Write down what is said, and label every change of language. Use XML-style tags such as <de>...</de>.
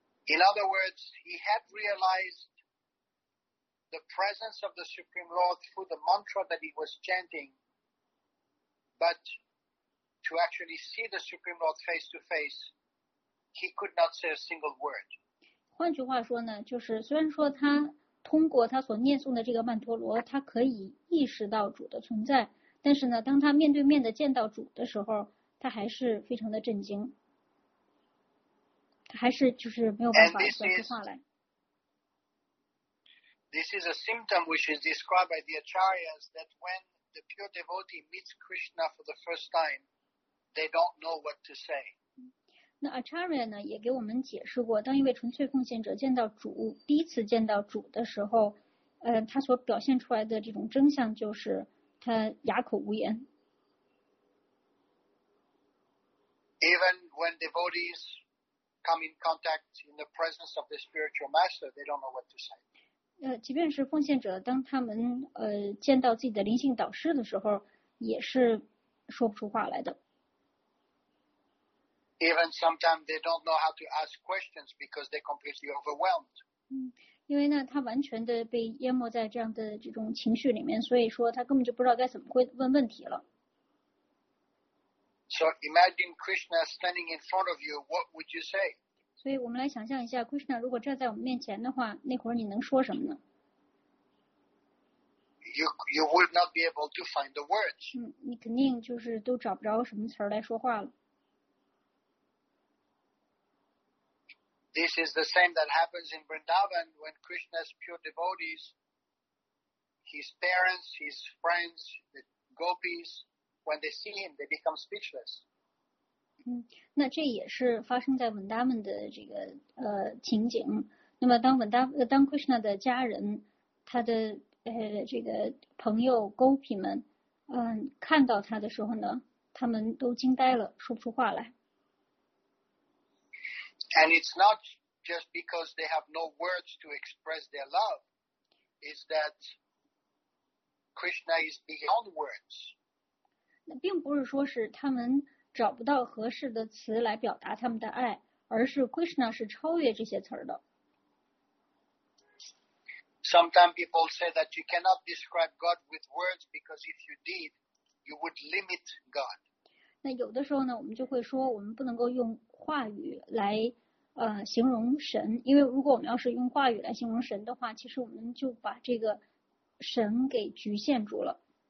<en>In other words, he had realized the presence of the Supreme Lord through the mantra that he was chanting, but to actually see the Supreme Lord face to face. He could not say a single word.</en> <zh>换句话说呢，就是虽然说他通过他所念诵的这个曼陀罗，他可以意识到主的存在，但是呢，当他面对面的见到主的时候，他还是非常的震惊，他还是就是没有办法说出话来。</zh> <en>This is a symptom which is described by the acharyas that when the pure devotee meets Krishna for the first time, they don't know what to say.</en> <zh>那 Acharya 呢也给我们解释过，当一位纯粹奉献者见到主，第一次见到主的时候，他所表现出来的这种真相就是他哑口无言。</zh> <en>Even when devotees come in contact in the presence of the spiritual master, they don't know what to say.</en> <zh>即便是奉献者，当他们见到自己的灵性导师的时候，也是说不出话来的。</zh> <en>Even sometimes they don't know how to ask questions because they're completely overwhelmed.</en> <zh>因为呢，他完全的被淹没在这样的这种情绪里面，所以说他根本就不知道该怎么会问问题了。</zh> <en>So imagine Krishna standing in front of you. What would you say?</en> <zh>所以我们来想象一下 ，Krishna 如果站在我们面前的话，那会儿你能说什么呢</zh> <en>？You would not be able to find the words.</en> <zh>你肯定就是都找不着什么词儿来说话了。</zh> <en>This is the same that happens in Vrindavan when Krishna's pure devotees, his parents, his friends, the gopis, when they see him, they become speechless.</en> <zh>嗯，那这也是发生在文达们的这个情景。那么当文达当 Krishna 的家人，他的这个朋友 Gopi 们，看到他的时候呢，他们都惊呆了，说不出话来。</zh> <en>And it's not just because they have no words to express their love, is that Krishna is beyond words.</en> <zh>那并不是说是他们找不到合适的词来表达他们的爱，而是 Krishna 是超越这些词的。</zh> <en>Sometimes people say that you cannot describe God with words because if you did, you would limit God.</en> <zh>那有的时候呢，我们就会说我们不能够用话语来形容神，因为如果我们要是用话语来形容神的话，其实我们就把这个神给局限住了。</zh>